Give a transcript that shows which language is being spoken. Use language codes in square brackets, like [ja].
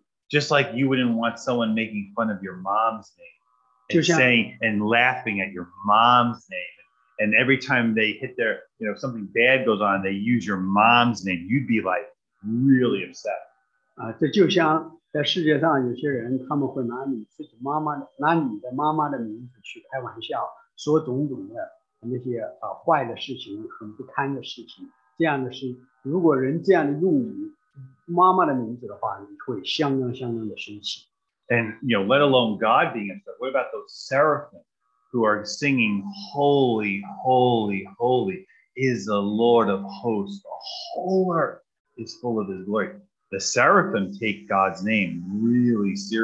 [en] Just like you wouldn't want someone making fun of your mom's name and saying and laughing at your mom's name. And every time they hit their, you know, something bad goes on, they use your mom's name. You'd be like really upset. [zh] 在旧乡，在世界上有些人，他们会拿你自己妈妈的名字去开玩笑，说种种的那些坏的事情，很不堪的事情。这样的是，如果人这样用你妈妈的名字的话，你会相当的生气。 [en] And you know, let alone God being upset. What about those seraphim who are singing, "Holy, holy, holy is the Lord of hosts. The whole earth is full of his glory." The seraphim take God's name really